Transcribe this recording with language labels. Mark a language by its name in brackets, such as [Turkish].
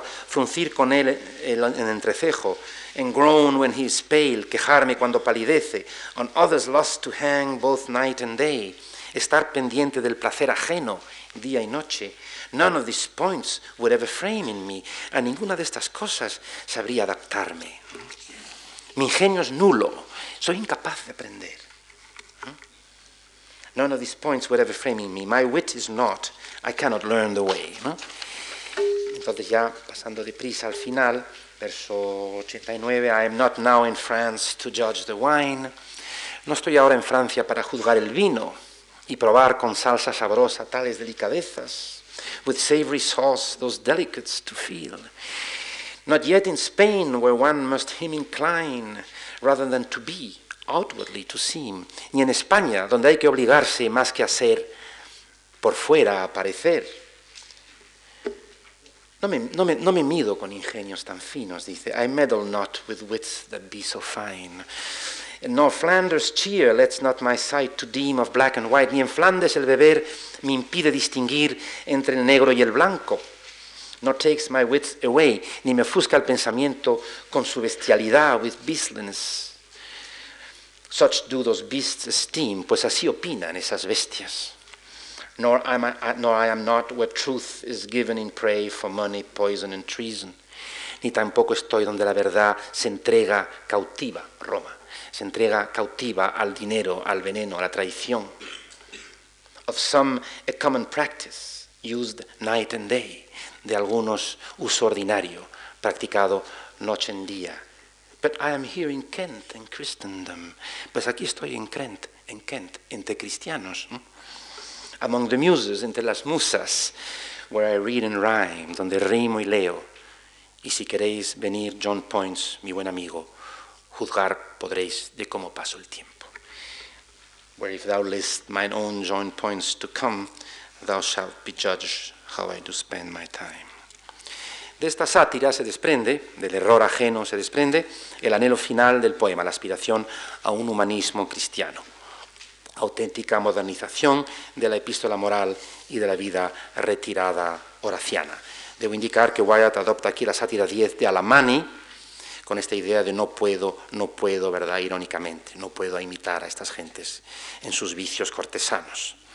[Spanish] Fruncir con él el entrecejo. [English] And groan when he is pale, [Spanish] quejarme cuando palidece, [English] on others lust to hang both night and day, [Spanish] estar pendiente del placer ajeno, día y noche. [English] None of these points would ever frame in me, [Spanish] a ninguna de estas cosas sabría adaptarme. Mi ingenio es nulo, soy incapaz de aprender. [English] None of these points, whatever framing me, my wit is not, I cannot learn the way. [Spanish] ¿No? Entonces ya, pasando deprisa al final, verso 89, [English] I am not now in France to judge the wine. [Spanish] No estoy ahora en Francia para juzgar el vino y probar con salsa sabrosa tales delicadezas, [English] with savory sauce those delicates to feel. Not yet in Spain, where one must him incline, rather than to be, outwardly to seem. [Spanish] Ni en España, donde hay que obligarse más que hacer, por fuera a parecer. No me mido con ingenios tan finos, dice. [English] I meddle not with wits that be so fine. Nor Flanders cheer lets not my sight to deem of black and white. [Spanish] Ni en Flandes el beber me impide distinguir entre el negro y el blanco. [English] Nor takes my wits away, [Spanish] ni me ofusca el pensamiento con su bestialidad, [English] with beastliness. Such do those beasts esteem, [Spanish] pues así opinan esas bestias. [English] Nor I am not where truth is given in prey for money, poison and treason. [Spanish] Ni tampoco estoy donde la verdad se entrega cautiva, Roma. Se entrega cautiva al dinero, al veneno, a la traición. [English] Of some a common practice used night and day. [Spanish] De algunos uso ordinario, practicado noche en día. [English] But I am here in Kent, in Christendom. [Spanish] Pues aquí estoy en Kent, entre cristianos. [English] Among the muses, [Spanish] entre las musas, where I read and rhyme, donde rimo y leo. Y si queréis venir, John Poyntz, mi buen amigo, juzgar podréis de cómo paso el tiempo. [English] Where if thou list mine own John Poyntz to come, thou shalt be judged how I do spend my time. [Spanish] De esta sátira se desprende, del error ajeno se desprende, el anhelo final del poema, la aspiración a un humanismo cristiano, auténtica modernización de la epístola moral y de la vida retirada horaciana. Debo indicar que Wyatt adopta aquí la sátira 10 de Alamanni, con esta idea de no puedo, ¿verdad?, irónicamente, no puedo imitar a estas gentes en sus vicios cortesanos.